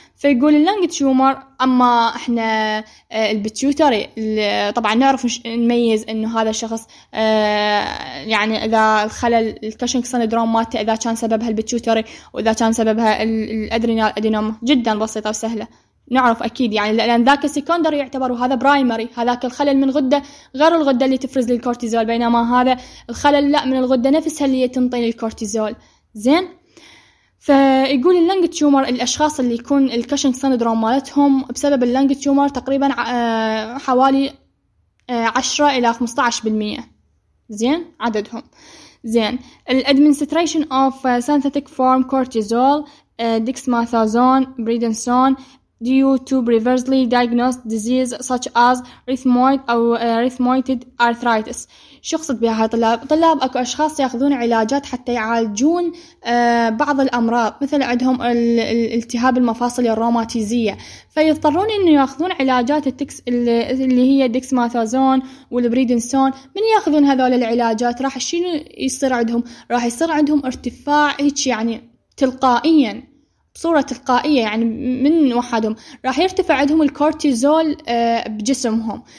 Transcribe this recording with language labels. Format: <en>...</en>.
<ar>فيقول اللانج تيومر، أما إحنا البيتيوتري طبعا نعرف نميز إنه هذا الشخص يعني إذا الخلل الكاشينج سندروم مات إذا كان سببها البيتيوتري وإذا كان سببها الأدرينال أدينوما، جدا بسيطة وسهلة نعرف أكيد، يعني لأن ذاك سيكوندري يعتبر وهذا برايمري، هذاك الخلل من غدة غير الغدة اللي تفرز للكورتيزول، بينما هذا الخلل لا من الغدة نفسها اللي تنطي الكورتيزول زين. فيقول اللانج تيومر الأشخاص اللي يكون الكاشينج سندروم مالتهم بسبب اللانج تيومر تقريبا حوالي 10 إلى 15% زين عددهم زين.</ar> <en>الادمنستريشن of synthetic form cortisol dexamethasone prednisone due to previously diagnosed disease such as rheumatoid or rheumatoid arthritis.</en> <ar>شو قصد بها طلاب؟ طلاب اكو اشخاص ياخذون علاجات حتى يعالجون بعض الامراض، مثل عندهم الالتهاب المفاصل الروماتيزية، فيضطرون انه ياخذون علاجات اللي هي ديكسماثازون والبريدنسون. من ياخذون هذول العلاجات راح شنو يصير عندهم؟ راح يصير عندهم ارتفاع هيك يعني تلقائيا، صورة تلقائية يعني من وحدهم راح يرتفع عندهم الكورتيزول بجسمهم.</ar>